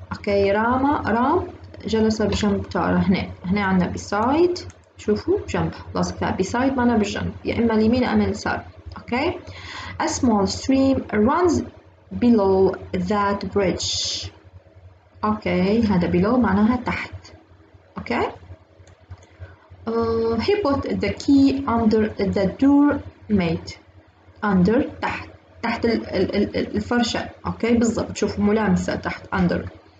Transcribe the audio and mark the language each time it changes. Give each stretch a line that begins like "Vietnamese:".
Arabic: أوكي رام جلس بجنب تارا هنا عندنا beside شوفوا جنب لاصق فيها beside معناها بالجنب يا إما اليمين أم اليسار.
English: Okay a small stream runs below that bridge.
Arabic: أوكي هذا below معناها تحت. Okay.
English: He put the key under the door mat.
Arabic: Under تحت ال الفرشة. Okay بالضبط شوفوا ملامسة تحت under.